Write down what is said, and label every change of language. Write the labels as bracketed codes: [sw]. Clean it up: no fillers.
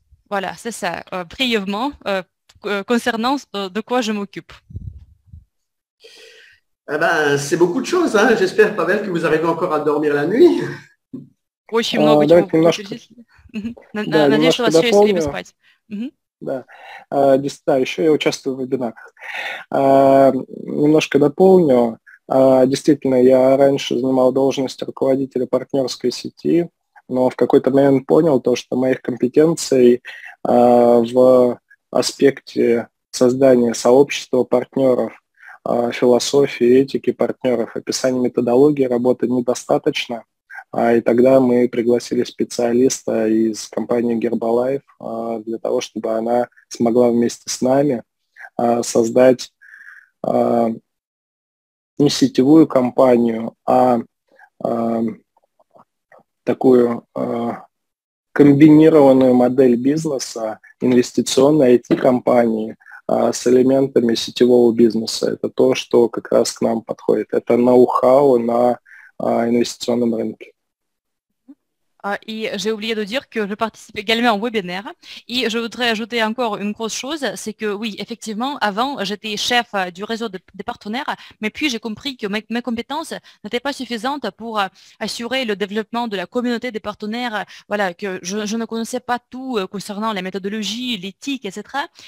[fr] Voilà, c'est ça. Brièvement, concernant de quoi je m'occupe. Eh ben, c'est beaucoup de choses, hein. J'espère, Pavel, que vous arrivez encore à dormir la nuit. Oui, je suis [ru] много чего. Давайте немножко... да, надеюсь, что у вас еще есть время спать. Да. Да, еще я участвую в вебинарах. Немножко дополню. Действительно, я раньше занимал должность руководителя партнерской сети, но в какой-то момент понял то, что моих компетенций в аспекте создания сообщества партнеров философии, этики партнеров, описания методологии работы недостаточно. И тогда мы пригласили специалиста из компании Herbalife для того, чтобы она смогла вместе с нами создать не сетевую компанию, а такую комбинированную модель бизнеса инвестиционной IT-компании с элементами сетевого бизнеса. Это то, что как раз к нам подходит. Это ноу-хау на инвестиционном рынке. [fr] Et j'ai oublié de dire que je participe également au webinaire. Et je voudrais ajouter encore une grosse chose, c'est que oui, effectivement, avant, j'étais chef du réseau des partenaires, mais puis j'ai compris que mes compétences n'étaient pas suffisantes pour assurer le développement de la communauté des partenaires, voilà, que je ne connaissais pas tout concernant la méthodologie, l'éthique, etc.